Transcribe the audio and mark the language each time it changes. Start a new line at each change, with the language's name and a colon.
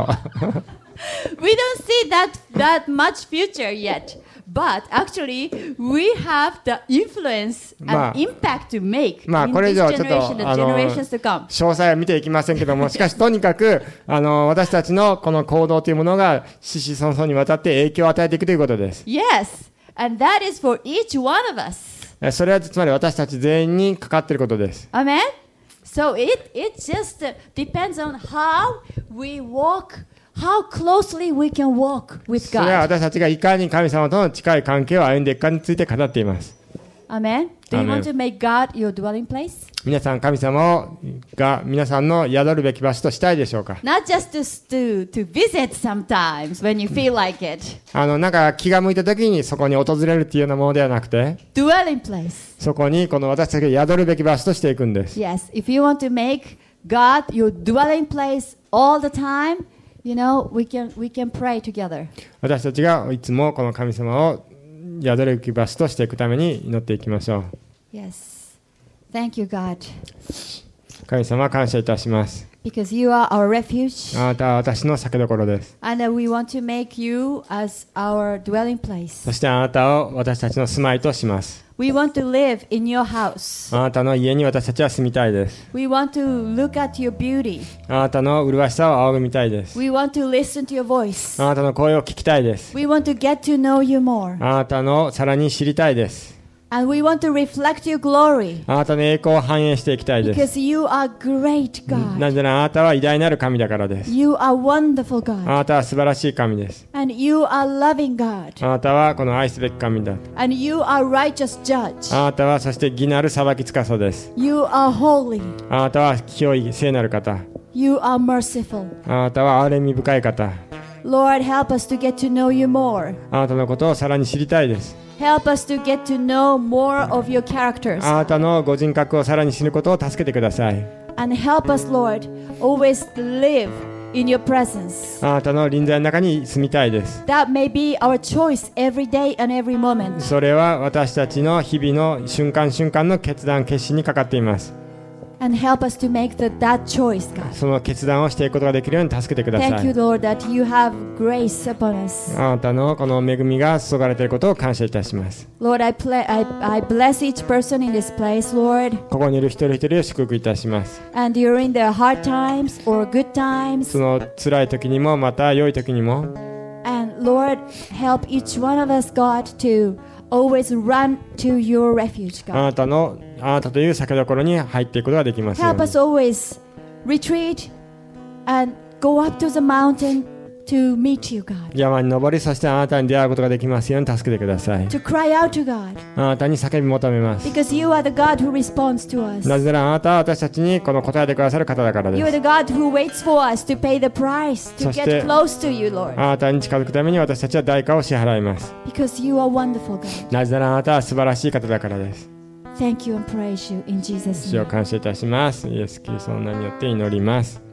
English: We don't see that much future yet, but actually we have the influence and impact to make in this generation and generations to come.
Japanese: 詳細は見ていきませんけども、しかしとにかく私たちのこの行動というものが子々孫々にわたって影響を与えていくということです。
English: Yes, and that is for each one of us.
Japanese: それはつまり私たち全員にかかっていることです。
English: Amen. So it just depends on how we walk, how closely we can walk with God.
Japanese: それは私たちがいかに神様との近い関係を歩んでいくかについて語っています。
English: Amen. Do you want to make God your dwelling place?
Japanese: 皆さん神様が皆さんの宿るべき場所としたいでしょうか?
English: Not just to visit sometimes when you feel like it.
Japanese: なんか気が向いた時にそこに訪れるというようなものではなくて、
English: dwelling place.
Japanese: そこにこの私たちが宿るべき場所としていくんです。
English: Yes, if you want to make God your dwelling place all the time, you know, we can pray together.
Japanese: 私たちがいつもこの神様を宿るべき場所としていくために祈っていきましょう。
English: Yes. Thank you, God.
Japanese: 神様感謝いたします。
English: Because you are our refuge.
Japanese: あなたは私の避けどころです。
English: And we want to make you as our dwelling place.
Japanese: そしてあなたを私たちの住まいとします。
English: We want to live in your house.
Japanese: あなたの家に私たちは住みたいです。
English: We want to look at your beauty.
Japanese: あなたの麗しさを仰ぐみたいです。
English: We want to listen to your voice.
Japanese: あなたの声を聞きたいです。
English: We want to get to know you more.
Japanese: あなたのさらに知りたいです。
English: And we want to reflect your glory.
Japanese: あなたの栄光を反映していきたいです。
English: Because you are great God.
Japanese: なぜならあなたは偉大なる神だからです。
English: You are wonderful God.
Japanese: あなたは素晴らしい神です。
English: And you are loving God.
Japanese: あなたはこの愛すべき神だ。
English: And you are righteous judge.
Japanese: あなたはそして義なる裁き司です。
English: You are holy.
Japanese: あなたは清い聖なる方。
English: You are merciful.
Japanese: あなたは憐れみ深い方。
English: Lord, help us to get to know you more.
Japanese: あなたのことをさらに知りたいです。
English: Help us to get to know more of your characters.
Japanese: あなたのご人格をさらに知ることを助けてください。
English: And help us, Lord, always live in your presence.
Japanese: あなたの臨在の中に住みたいです。
English: That may be our choice every day and every moment.
Japanese: それは私たちの日々の瞬間瞬間の決断決心にかかっています。
English: And help us to make that choice, God.
Japanese: その決断をしていくことができるように助けてください。
English: Thank you, Lord, that you have grace upon us.
Japanese: あなたのこの恵みが注がれていることを感謝いたします。
English: Lord, I bless each person in this place, Lord.
Japanese: ここにいる一人一人を祝福いたします。
English: And during the hard times or good times.
Japanese: その辛い時にもまた良い時にも。
English: And Lord, help each one of us, God, to always run to your refuge, God.
Japanese: あなたという避けどころに入っていくことができますように。
English: Help us always retreat and go up to the mountain to meet you, God.
Japanese: 山に登り、そしてあなたに出会うことができますように助けてください。
English: To cry out to God.
Japanese: あなたに叫び求めます。
English: Because you are the God who responds to us.
Japanese: なぜならあなたは私たちにこの答えてくださる方だからです。
English: You are the God who waits for us to pay the price to get close to you, Lord.
Japanese: あなたに近づくために私たちは代価を支払います。
English: Because you are wonderful, God.
Japanese: なぜならあなたは素晴らしい方だからです。
English: Thank you and praise you in Jesus' name.
Japanese: 主を感謝いたします。イエス・キリストの名によって祈ります。